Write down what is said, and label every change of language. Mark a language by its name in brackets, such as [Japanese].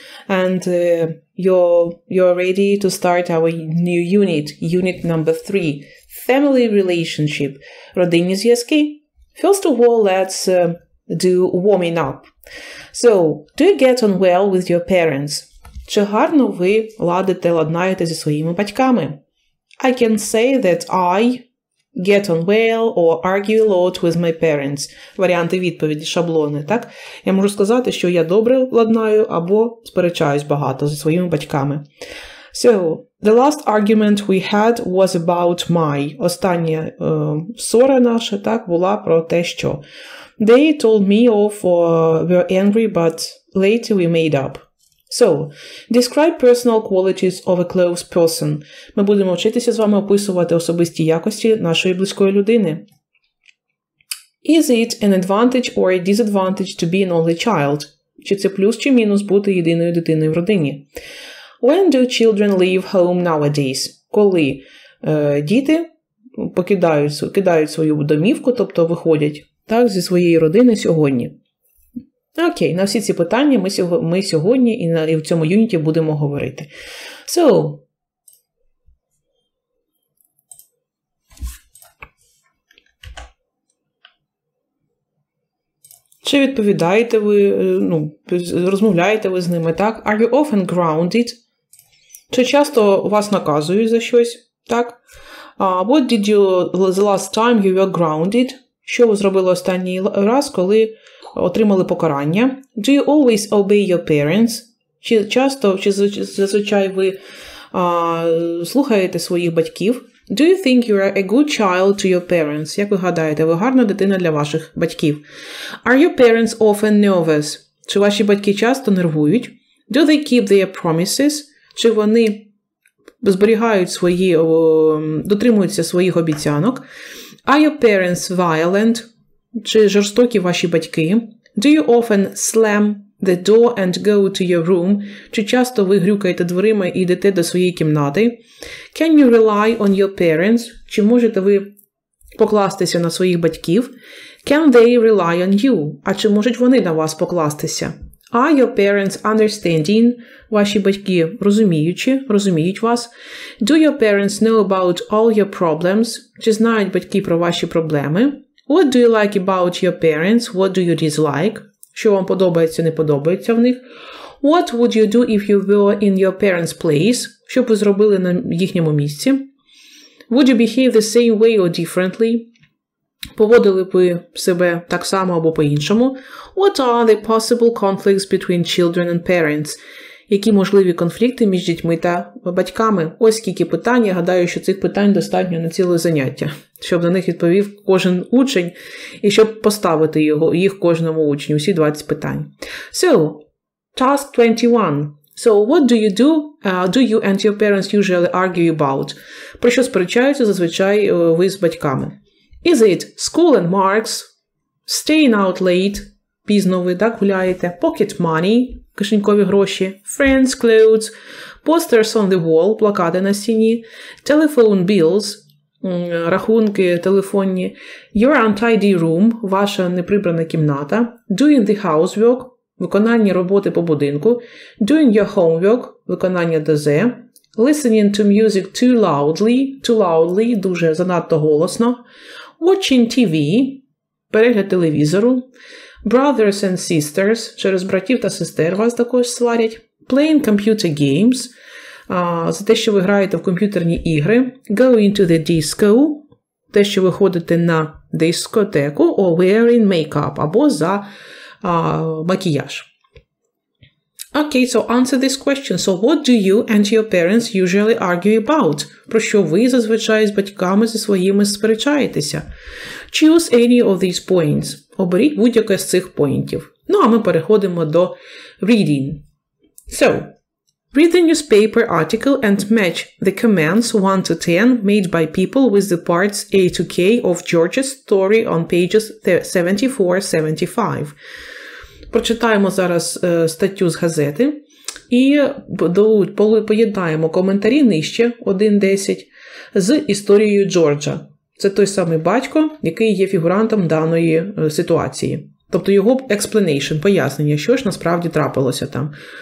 [English] And you're ready to start our new unit, unit number 3, family relationship. [Ukrainian] Родинні зв'язки. [English] First of all, let's do warming up. So, do you get on well with your parents? [Ukrainian] Чи гарно ви ладите, ладнаєте зі своїми батьками? [English] I can say that I get on well or argue a lot with my parents. [Ukrainian] Варіанти відповіді, шаблони, так? Я можу сказати, що я добре ладнаю або сперечаюсь багато зі своїми батьками. [English] So, the last argument we had was about my. [Ukrainian] Остання ссора наша, так, була про те, що. [English] They told me off or were angry, but later we made up. So, describe personal qualities of a close person. [Ukrainian] Ми будемо вчитися з вами описувати особисті якості нашої близької людини. [English] Is it an advantage or a disadvantage to be an only child? [Ukrainian] Чи це плюс чи мінус бути єдиною дитиною в родині? [English] When do children leave home nowadays? [Ukrainian] Коли діти кидають свою домівку, тобто виходять, так, зі своєї родини сьогодні? Окей, на всі ці питання ми сьогодні і в цьому юніті будемо говорити. So, чи відповідаєте ви, ну, розмовляєте ви з ними, так? [English] Are you often grounded? [Ukrainian] Чи часто вас наказують за щось, так? [English] What did you, the last time you were grounded? [Ukrainian] Що ви зробили останній раз, коли отримали покарання? [English] Do you always obey your parents? [Ukrainian] Чи часто, чи зазвичай ви слухаєте своїх батьків? [English] Do you think you are a good child to your parents? [Ukrainian] Як ви гадаєте, ви гарна дитина для ваших батьків? [English] Are your parents often nervous? [Ukrainian] Чи ваші батьки часто нервують? [English] Do they keep their promises? [Ukrainian] Чи вони зберігають свої, дотримуються своїх обіцянок? [English] Are your parents violent? [Ukrainian] Чи жорстокі ваші батьки? [English] Do you often slam the door and go to your room? [Ukrainian] Чи часто ви грюкаєте дверима і йдете до своєї кімнати? [English] Can you rely on your parents? [Ukrainian] Чи можете ви покластися на своїх батьків? [English] Can they rely on you? [Ukrainian] А чи можуть вони на вас покластися? [English] Are your parents understanding? [Ukrainian] Ваші батьки розуміючі, розуміють вас? [English] Do your parents know about all your problems? [Ukrainian] Чи знають батьки про ваші проблеми? [English] What do you like about your parents? What do you dislike? [Ukrainian] Що вам подобається, не подобається в них? [English] What would you do if you were in your parents' place? [Ukrainian] Що б ви зробили на їхньому місці? [English] Would you behave the same way or differently? [Ukrainian] Поводили б ви себе так само або по-іншому? [English] What are the possible conflicts between children and parents? [Ukrainian] Які можливі конфлікти між дітьми та батьками? Ось скільки питань, я гадаю, що цих питань достатньо на ціле заняття, щоб на них відповів кожен учень і щоб поставити його, їх кожному учню, всі 20 питань. [English] So, task 21. So, what do you do? Do you and your parents usually argue about? [Ukrainian] Про що сперечаються зазвичай ви з батьками? [English] Is it school and marks? Staying out late? [Ukrainian] Пізно ви, так, гуляєте? [English] Pocket money? [Ukrainian] Кишенькові гроші, [English] friends, clothes, posters on the wall, [Ukrainian] плакати на стіні, [English] telephone bills, [Ukrainian] рахунки телефонні, [English] your untidy room, [Ukrainian] ваша неприбрана кімната, [English] doing the housework, [Ukrainian] виконання роботи по будинку, [English] doing your homework, [Ukrainian] виконання ДЗ, [English] listening to music too loudly, [Ukrainian] дуже занадто голосно, [English] watching TV, [Ukrainian] перегляд телевізору, [English] brothers and sisters, [Ukrainian] через братів та сестер вас також сварять. [English] Playing computer games, [Ukrainian] за те, що ви граєте в комп'ютерні ігри. [English] Going to the disco, [Ukrainian] те, що ви ходите на дискотеку. [English] Or wearing makeup, [Ukrainian] або за макіяж. [English] Okay, so answer this question. So what do you and your parents usually argue about? [Ukrainian] Про що ви зазвичай з батьками зі своїми сперечаєтеся? [English] Choose any of these points. [Ukrainian] Оберіть будь-яке з цих поінтів. Ну, а ми переходимо до reading. So, [English] Read the newspaper article and match the commands 1 to 10 made by people with the parts A to K of George's story on pages 74-75. [Ukrainian] Прочитаємо зараз статтю з газети і поєднаємо коментарі нижче 1-10 з історією Джорджа. Це той самий батько, який є фігурантом даної ситуації. Тобто його explanation, пояснення, що ж насправді трапилося там.